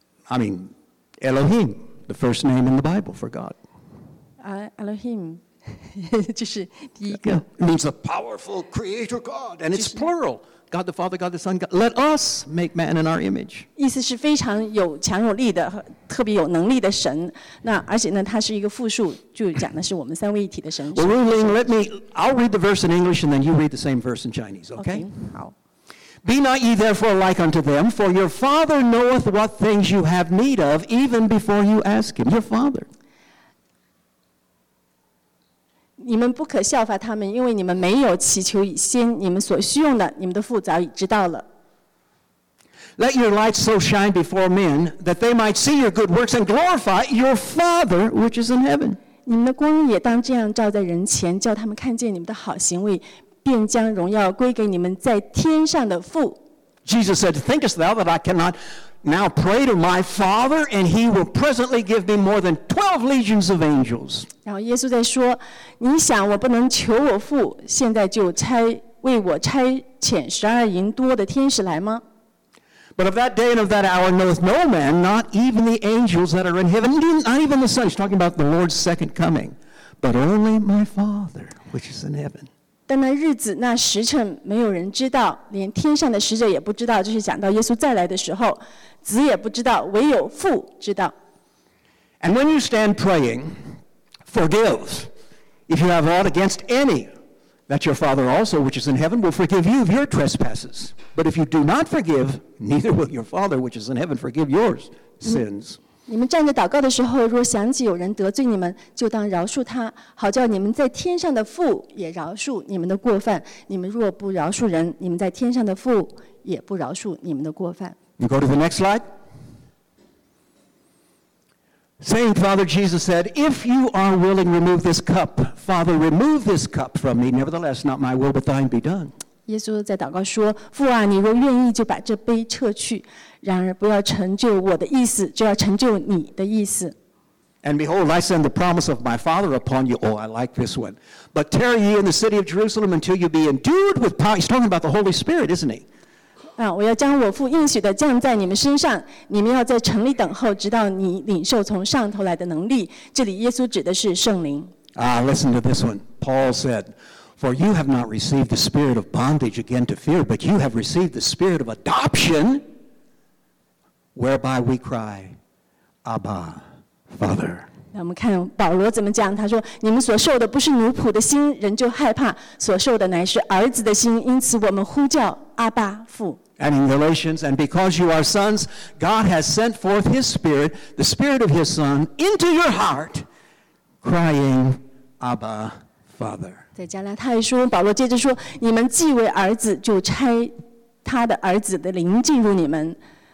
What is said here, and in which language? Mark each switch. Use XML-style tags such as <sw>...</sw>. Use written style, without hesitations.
<en>I mean, Elohim, the first name in the Bible for God.</en> <zh>Elohim, 就是第一个。</zh> <en>Yeah, it means the powerful creator God, and it's plural. God the Father, God the Son, God. Let us make man in our image.</en> <zh>意思是非常有强有力的，特别有能力的神。那而且呢，它是一个复数，就讲的是我们三位一体的神。</zh> <en>Well, Ruling, let me, I'll read the verse in English, and then you read the same verse in Chinese, okay? Okay, 好。 Be not ye therefore like unto them, for your Father knoweth what things you have need of, even before you ask him. Your Father.</en> <zh>你们不可效法他们，因为你们没有祈求以先，你们所需用的，你们的父早已知道了。</zh> <en>Let your light so shine before men that they might see your good works and glorify your Father which is in heaven.</en> <zh>你们的光也当这样照在人前，叫他们看见你们的好行为。便将荣耀归给你们在天上的父。</zh> <en>Jesus said, Thinkest thou that I cannot now pray to my Father, and he will presently give me more than 12 legions of angels?</en> <zh>然后耶稣在说，你想我不能求我父，现在就差为我差遣十二营多的天使来吗？</zh> <en>But of that day and of that hour knoweth no man, not even the angels that are in heaven, not even the Son. He's talking about the Lord's second coming, but only my Father, which is in heaven.</en> <zh>但那日子那时辰没有人知道，连天上的使者也不知道，就是讲到耶稣再来的时候，子也不知道，唯有父知道。</zh> <en>And when you stand praying, forgive if you have aught against any, that your Father also which is in heaven will forgive you of your trespasses. But if you do not forgive, neither will your Father which is in heaven forgive your sins.</en> <zh>你们站着祷告的时候，若想起有人得罪你们，就当饶恕他，好叫你们在天上的父也饶恕你们的过犯。你们若不饶恕人，你们在天上的父也不饶恕你们的过犯。</zh> <en>You go to the next slide. Saint Father Jesus said, "If you are willing, remove this cup. Father, remove this cup from me. Nevertheless, not my will, but thine be done."</en> <zh>耶稣在祷告说，父啊，你若愿意，就把这杯撤去。然而不要成就我的意思，就要成就你的意思。</zh> <en>And behold, I send the promise of my Father upon you. Oh, I like this one. But tarry ye in the city of Jerusalem until you be endued with power. He's talking about the Holy Spirit, isn't he?</en> <zh>我要将我父应许的降在你们身上，你们要在城里等候，直到你领受从上头来的能力。这里耶稣指的是圣灵。</zh> <en>Listen to this one. Paul said, For you have not received the spirit of bondage again to fear, but you have received the spirit of adoption. Whereby we cry, Abba, Father.</en> <zh>那我们看保罗怎么讲？他说：“你们所受的不是奴仆的心，人就害怕；所受的乃是儿子的心，因此我们呼叫阿爸父。”</zh> <en>And in Galatians, and because you are sons, God has sent forth His Spirit, the Spirit of His Son, into your heart, crying, Abba, Father.</en> <zh>在加拉太书，保罗接着说：“你们既为儿子，就差他的儿子的灵进入你们。”</zh>